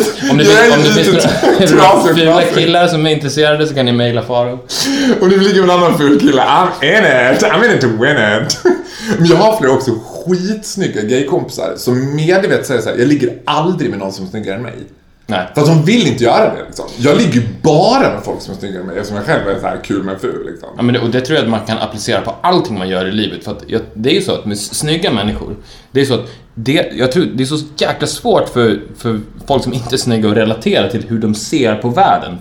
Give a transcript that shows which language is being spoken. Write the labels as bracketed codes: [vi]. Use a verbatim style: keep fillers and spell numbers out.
[sv] Om det finns några fula killar som är intresserade så kan ni mejla Faro. Om det ligger en annan ful kille, [en] I'm in it, I'm in it to win it. [sv] Men jag har flera också skitsnygga gaykompisar som medvetet säger så här: jag ligger aldrig med någon som är snyggare än mig. Nej. För att de vill inte göra det liksom. Jag ligger bara med folk som är snyggare än mig, eftersom jag själv är så här kul men ful liksom. Ja, men det, och det tror jag att man kan applicera på allting man gör i livet. För att jag, det är ju så att med snygga människor, det är så att det, jag tror, det är så jäkla svårt för, för folk som inte är snygga att relatera till hur de ser på världen.